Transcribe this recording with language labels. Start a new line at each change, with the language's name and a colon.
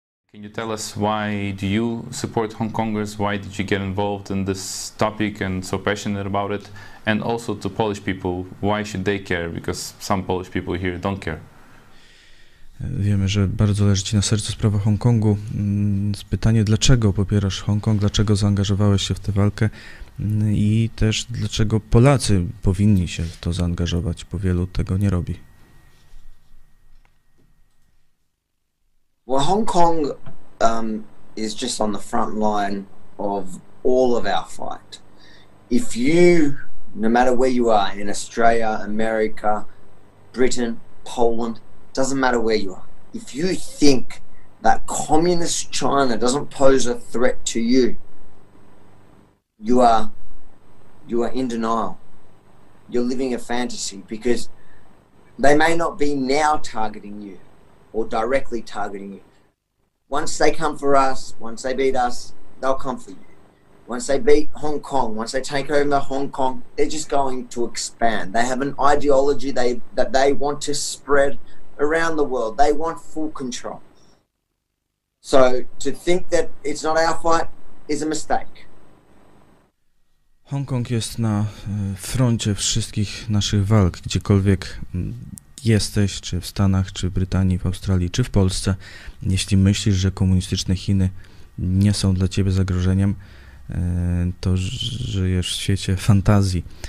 English: Can you tell us why do you support Hong Kongers? Why did you get involved in this topic and so passionate about it? And also to Polish people, why should they care? Because some Polish people here don't care.
Polish: Wiemy, że bardzo leży ci na sercu sprawa Hongkongu. Pytanie, dlaczego popierasz Hongkong? Dlaczego zaangażowałeś się w tę walkę? I też dlaczego Polacy powinni się w to zaangażować, bo wielu tego nie robi.
English: Well, Hong Kong is just on the front line of all of our fight. If you, no matter where you are, in Australia, America, Britain, Poland, doesn't matter where you are, if you think that communist China doesn't pose a threat to you, you are in denial. You're living a fantasy because they may not be now targeting you or directly targeting you. Once they come for us, once they beat us, they'll come for you. Once they beat Hong Kong, once they take over Hong Kong, they're just going to expand. They have an ideology that they want to spread around the world. They want full control. So to think that it's not our fight is a mistake.
Polish: Hong Kong jest na froncie wszystkich naszych walk, gdziekolwiek jesteś, czy w Stanach, czy w Brytanii, w Australii, czy w Polsce. Jeśli myślisz, że komunistyczne Chiny nie są dla ciebie zagrożeniem, to żyjesz w świecie fantazji.